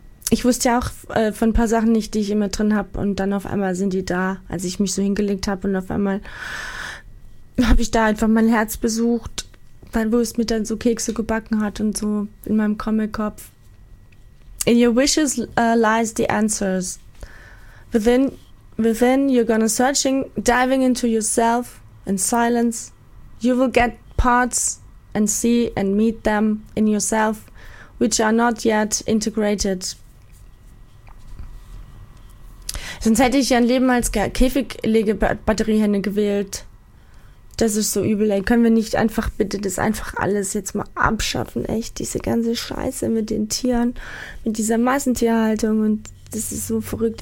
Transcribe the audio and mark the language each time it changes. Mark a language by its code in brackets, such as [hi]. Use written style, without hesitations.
[de] Ich wusste ja auch von ein paar Sachen nicht, die ich immer drin habe, und dann auf einmal sind die da, als ich mich so hingelegt habe, und auf einmal habe ich da einfach mein Herz besucht, dann wo es mir dann so Kekse gebacken hat und so in meinem Comic-Kopf. [en] In your wishes lies the answers. Within you're gonna searching, diving into yourself in silence. You will get parts and see and meet them in yourself, which are not yet integrated. [de] Sonst hätte ich ja ein Leben als Käfiglegebatteriehenne gewählt. Das ist so übel, ey. Können wir nicht einfach bitte das einfach alles jetzt mal abschaffen, echt? Diese ganze Scheiße mit den Tieren, mit dieser Massentierhaltung, und das ist so verrückt.